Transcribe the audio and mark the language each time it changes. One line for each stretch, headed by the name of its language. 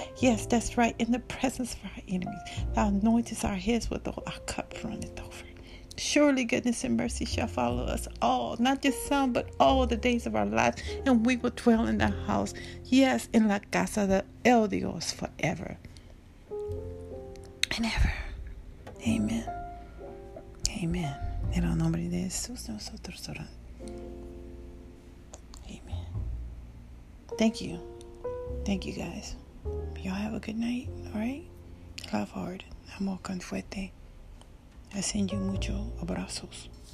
English: Yes, that's right, in the presence of our enemies. Thou anointest our heads with oil, our cup runneth over. Surely goodness and mercy shall follow us all, not just some, but all the days of our life, and we will dwell in the house, yes, in
Spanish: la casa de el Dios,
English: forever and ever. Amen. Amen.
Spanish: En el nombre de Jesús, nosotros oramos.
English: Amen. Thank you. Thank you, guys. Y'all have a good night, all right? Love hard.
Spanish: Amor con fuerte.
English: I send you
Spanish: mucho abrazos.